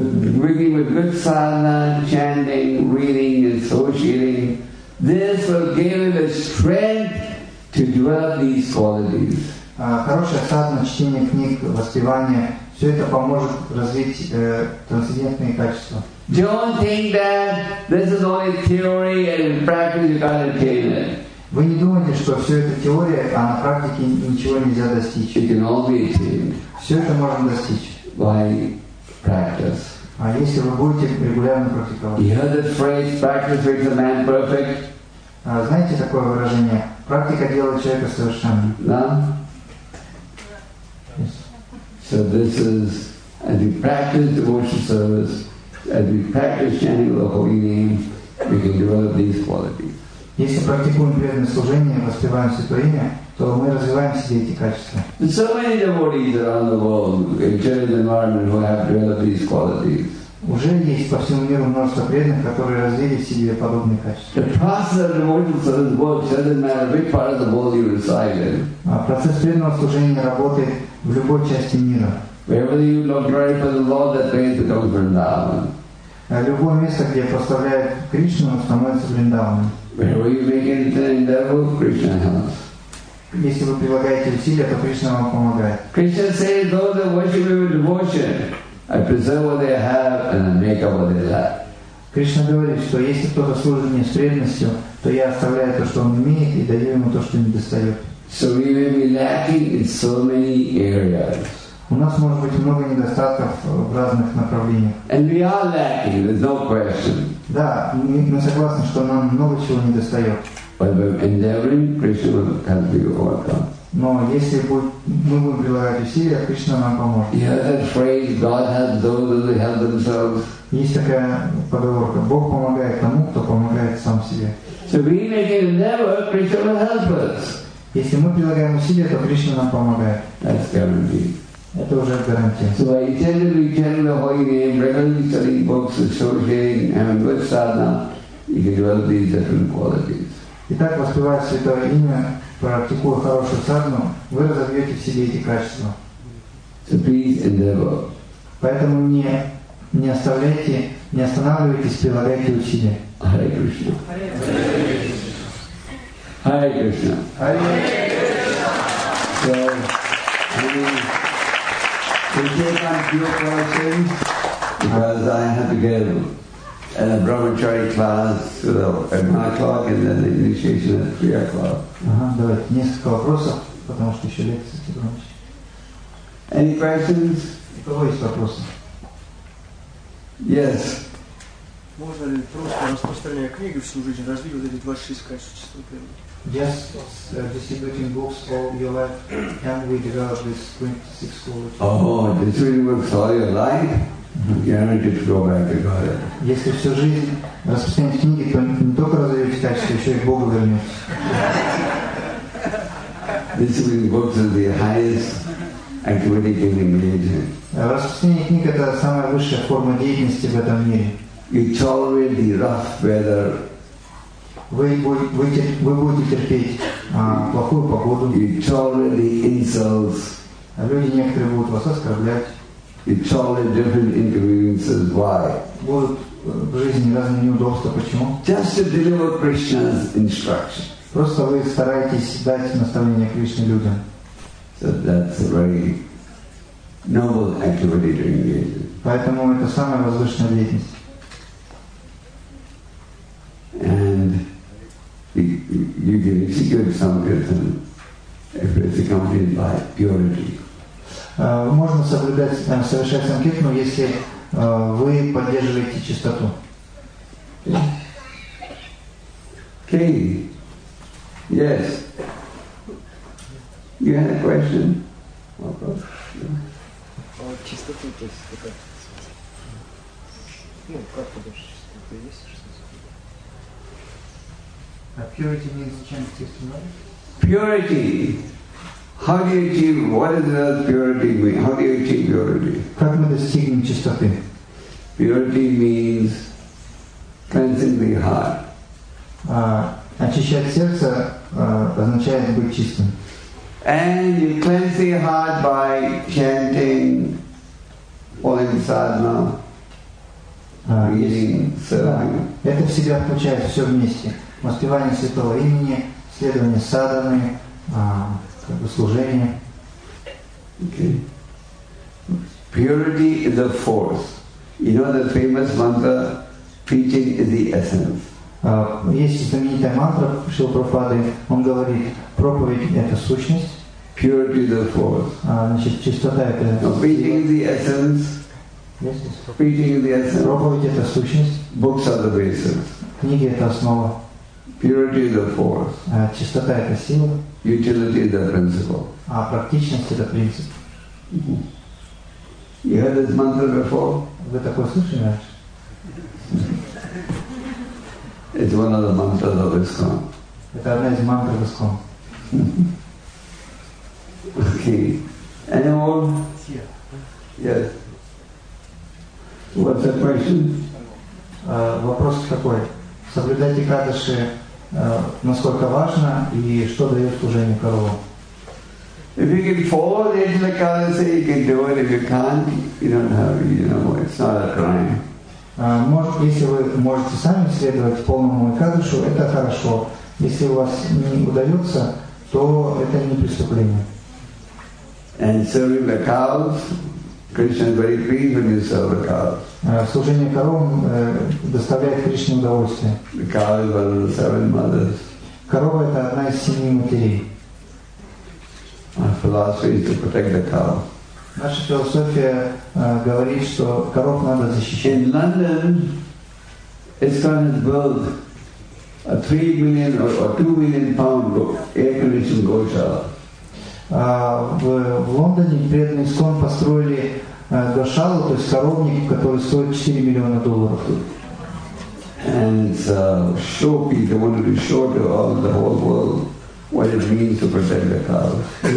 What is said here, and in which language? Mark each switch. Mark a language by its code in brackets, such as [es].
[en] bringing a good sadhana, chanting, reading, associating, this will give him the strength to develop these qualities. [ru] Хорошая садхана, чтение книг, воспевание, все это поможет развить трансцендентные качества. [en] Don't think that this is only theory and in practice you can't attain it. [ru] Вы не думайте, что все это теория, а на практике ничего нельзя достичь. [en] It can all be attained. [ru] Все это можно достичь. [en] By practice. [ru] А если вы будете регулярно практиковать? [en] You heard the phrase, practice makes a man perfect? [ru] Знаете такое выражение? Практика делает человека совершенным. Да? [en] So this is, as we practice devotional service, as we practice chanting the holy name, we can develop these qualities. [ru] Если практикуем преданное служение, воспеваем святое имя, то мы развиваем все эти качества. [en] So many devotees around the world in Chinese environment who have developed these qualities. [ru] Уже есть по всему миру множество преданных, которые развили в себе подобные качества. [en] The process of devotional service works doesn't matter which part of the world you reside in. [ru] А процесс преданного служения работает в любой части мира. [en] Wherever you look right for the Lord, that place becomes Vrindavan. [ru] Любое место, где поставляют Кришну, становится Вриндаваном. [en] Wherever you make anything in devil, Krishna helps. [ru] Если вы прилагаете усилия, то Кришна вам помогает. [en] Krishna says, those that worship me with devotion, I preserve what they have and I make up what they lack. [ru] Кришна говорит, что если кто-то служит мне с преданностью, то я оставляю то, что он имеет, и даю ему то, что не достает. [en] So we may be lacking in so many areas. [ru] У нас может быть много недостатков в разных направлениях. [en] And we are lacking, there's no question. [ru] Да, мы согласны, что нам много чего не достает. [en] But by endeavoring, Krishna can be overcome. [ru] Но если мы будем прилагать усилия, Кришна нам поможет. [en] You heard that phrase, God helps those who help themselves. [ru] Есть такая поговорка, Бог помогает тому, кто помогает сам себе. [en] So we make an endeavor, Krishna will help us. [ru] Если мы прилагаем усилия, то Кришна нам помогает. [en] That's guaranteed. [ru] Это уже гарантия. [en] So by intentionally chanting the holy name, regularly studying books, associating, having good sadhana, you can develop these different qualities. [ru] Итак, воспевая святое имя, практикуя хорошую садхану, вы разобьете в себе эти качества. [en] So please endeavor. [ru] Поэтому не оставляйте, не останавливайтесь, прилагайте усилия. [sa] Hare Krishna. Hare Krishna. Hare Krishna. Hare Krishna. [en] So, we take on few questions because I have to get a brahmachari class at 9 o'clock and then the initiation at 3 o'clock. [ru] Давайте несколько вопросов, потому что еще лекция с брахмачари. [en] Any questions? [ru] У кого есть вопросы? [en] Yes. [ru] Можно ли просто распространение книги всю жизнь развить вот эти 26 качеств чистого преданного? [en] Yes, distributing books all your life. Can we develop this 26 qualities? Oh, distributing books all your life? Guaranteed to go back to God. [ru] Если всю жизнь распространять книги, то не только развивать качество, еще и к Богу вернется. [en] Distributing books is the highest activity you can engage in. [ru] Распространение книг — это самая высшая форма деятельности в этом мире. [en] You tolerate the rough weather. [ru] Вы будете терпеть плохую погоду. [en] You tolerate the insults. [ru] А люди некоторые будут вас оскорблять. [en] You tolerate different inconveniences. Why? [ru] Будут в жизни разные неудобства. Почему? [en] Just to deliver Krishna's instruction. [ru] Просто вы стараетесь дать наставление Кришне людям. [en] So that's a very noble activity to engage in. [ru] Поэтому это самая возвышенная деятельность. [en] And you can execute sankirtan if it's accompanied by purity. [ru] Можно соблюдать, совершать санкиртану, если вы поддерживаете чистоту. [en] Okay. Yes. You had a question? [ru] Чистоту, то есть какая? Ну, как подожди, чистоту есть? [en] Purity means chanting testimony. Purity. How do you achieve? What does purity mean? How do you achieve purity? [ru] Как мы достигнем чистоты? [en] Purity means cleansing the heart. [ru] Очищать сердце означает быть чистым. [en] And you cleanse your heart by chanting holy sadhana, reading, serving. [ru] Это в себя включает все вместе. Воспевание святого имени, следование садханы, как бы служение. [en] Purity is the force. You know the famous mantra, preaching is the essence. [ru] Есть знаменитая мантра Шрилы Прабхупады, он говорит, проповедь это сущность. [en] Purity is the force. [ru] Значит, чистота это. [en] Preaching is the essence. Preaching is the essence. [ru] Проповедь это сущность. [en] Books are the basis. [ru] Книги это основа. [en] Purity is the force. [ru] Чистота это сила. [en] Utility is the principle. [ru] А практичность это принцип. [en] You heard this mantra before? [ru] Вы такое слышали раньше? [en] It's one of the mantras of ISKCON. [ru] Это одна из мантр в ISKCON. [en] Okay. Any more? Yes. What's the question? [ru] Вопрос такой. Соблюдать экадаши насколько важно и что дает служение коровам? [en] If you can follow the Ajna Kadasi, you can do it. If you can't, you don't have, you know, it's not a crime. [ru] Если вы можете сами следовать полному Экадышу, это хорошо. Если у вас не удается, то это не преступление. [en] And serving the cows, Krishna is very pleased when you serve the cows. [ru] Служение коровам доставляет Кришне удовольствие. [en] The cow is one of the seven mothers. [ru] Корова – это одна из семи матерей. [en] Our philosophy is to protect the cow. [ru] Наша философия говорит, что коров надо защищать. [en] In London, ISKCON has built a 3 million or 2 million pound air-conditioned goshala. [ru] В Лондоне преданные ISKCON построили гошалу, то есть коровник, который стоит 4 миллиона долларов. [en] And it's a showpiece, they wanted to show to all the whole world what it means to protect the cows.